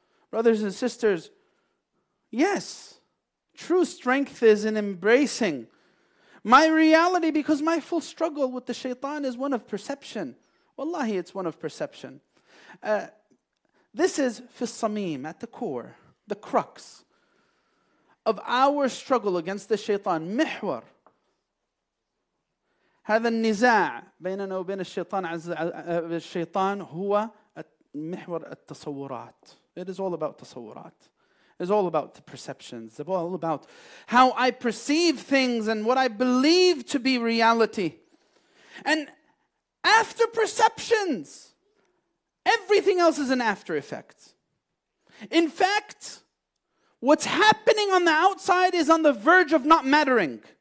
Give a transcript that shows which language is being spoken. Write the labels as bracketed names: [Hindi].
[English] Brothers and sisters, yes, true strength is in embracing my reality, because my full struggle with the shaitan is one of perception. Wallahi, it's one of perception. This is fis-samim, at the core, the crux of our struggle against the shaitan. [Arabic] Mihwar. هذا النزاع بيننا وبين الشيطان عز الشيطان هو محور التصورات. [English] It is all about تصورات. It's all about the perceptions. It's all about how I perceive things and what I believe to be reality. And after perceptions, everything else is an after effect. In fact, what's happening on the outside is on the verge of not mattering.